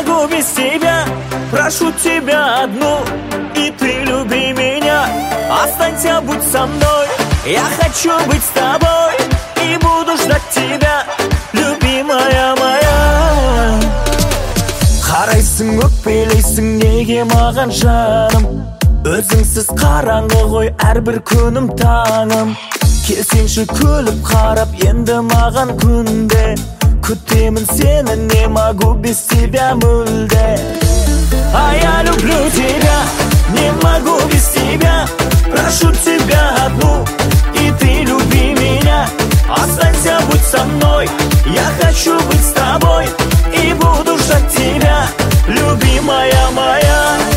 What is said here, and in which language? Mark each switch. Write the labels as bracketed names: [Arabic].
[Russian] без тебя, прошу тебя одну, и ты люби меня. Останься, будь со мной, я хочу быть с тобой, и буду ждать тебя, любимая моя. [Kazakh] Қарайсың, өкпелейсің, неге маған жаным? Өзіңсіз қараңғы ғой, әрбір күнім таңым. Келсенші күліп қарап, енді маған күнде. Күтемін сені, [Russian] не могу без тебя [Kazakh] мүлде. [Russian] А я люблю тебя, не могу без тебя. Прошу тебя одну, и ты люби меня. Останься, будь со мной, я хочу быть с тобой. И буду ждать тебя, любимая моя.